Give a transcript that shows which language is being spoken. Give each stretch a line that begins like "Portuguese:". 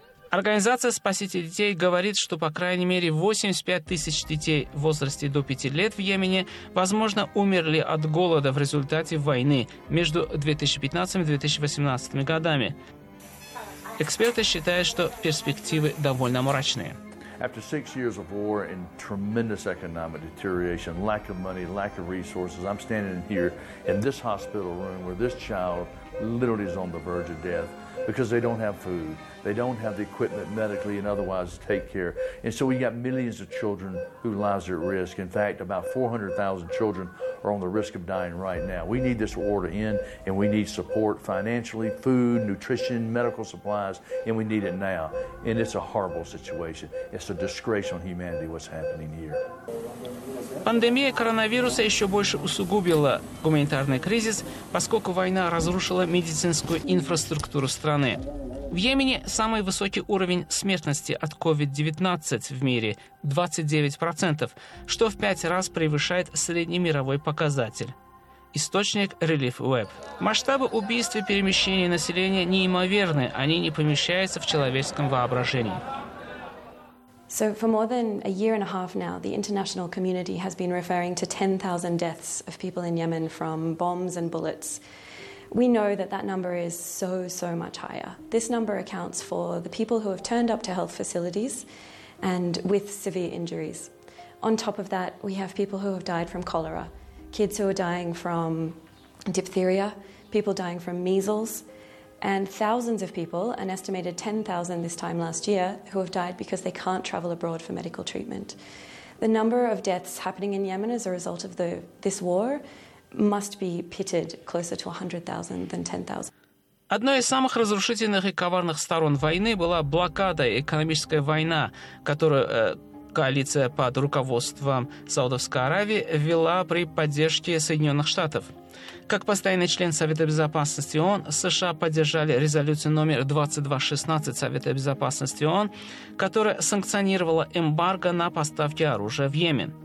Russian: Организация «Спасите детей» говорит, что по крайней мере 85 тысяч детей в возрасте до 5 лет в Йемене, возможно, умерли от голода в результате войны между 2015 и 2018 годами. Эксперты считают, что перспективы довольно мрачные.
English: After 6 years of war and tremendous economic deterioration, lack of money, lack of resources, I'm standing here in this hospital room where this child literally is on the verge of death because they don't have food, they don't have the equipment medically and otherwise to take care. And so we got millions of children whose lives are at risk. In fact, about 400,000 children are on the risk of dying right now. We need this war to end, and we need support financially, food, nutrition, medical supplies, and we need it now. And it's a horrible situation. It's a disgrace on humanity what's happening here.
Russian: Пандемия коронавируса еще больше усугубила гуманитарный кризис, поскольку война разрушила медицинскую инфраструктуру страны. В Йемене самый высокий уровень смертности от COVID-19 в мире – 29%, что в 5 раз превышает средний мировой показатель. Источник Relief Web. Масштабы убийств и перемещения населения неимоверны, они не помещаются в человеческом воображении.
English: So for more than a year and a half now, the international community has been referring to 10,000 deaths of people in Yemen from bombs and bullets. We know that that number is so, so much higher. This number accounts for the people who have turned up to health facilities and with severe injuries. On top of that, we have people who have died from cholera, kids who are dying from diphtheria, people dying from measles, and thousands of people, an estimated 10,000 this time last year, who have died because they can't travel abroad for medical treatment. The number of deaths happening in Yemen as a result of this war must be pitted closer to 100,000 than 10,000.
Russian: Одной из самых разрушительных и коварных сторон войны была блокада, экономическая война, которую коалиция под руководством Саудовской Аравии вела при поддержке Соединенных Штатов. Как постоянный член Совета Безопасности ООН, США поддержали резолюцию номер 2216 Совета Безопасности ООН, которая санкционировала эмбарго на поставки оружия в Йемен.